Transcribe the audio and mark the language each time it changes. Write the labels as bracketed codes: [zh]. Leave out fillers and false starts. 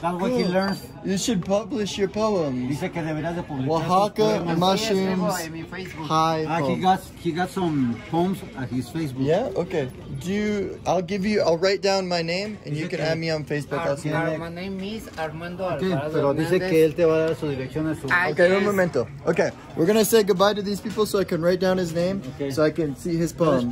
[en] That's what cool. He learns. You should publish your poems. [es] Dice que deberás de publicar [en] Oaxaca mushrooms. He got some poems at his Facebook. Yeah, okay. I'll write down my name and you can add me on Facebook. My name is Armando Alvarado. [es] Pero dice que él te va a dar su dirección a su... Okay, un momento. [en] Okay, we're going to say goodbye to these people so I can write down his name so I can see his poems.